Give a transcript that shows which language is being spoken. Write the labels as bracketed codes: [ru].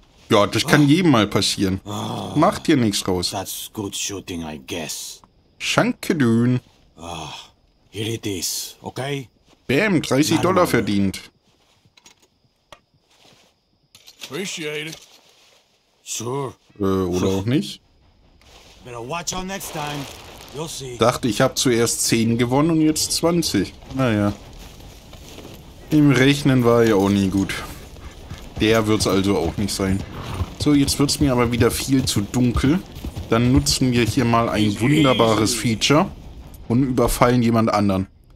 [de] Ja, das kann jedem mal passieren. Mach dir nichts raus. [en] That's good shooting, I guess. Schanke dün. Here it is, okay? [de] Bam, $30 verdient. [en] Appreciate it. Sure. [de] Oder auch nicht. [en] Better watch out next time. You'll see. [de] Dachte, ich habe zuerst 10 gewonnen und jetzt 20. Naja. Im Rechnen war ja auch nie gut. Der wird's also auch nicht sein. So, jetzt wird's mir aber wieder viel zu dunkel. Dann nutzen wir hier mal ein wunderbares Feature und überfallen jemand anderen.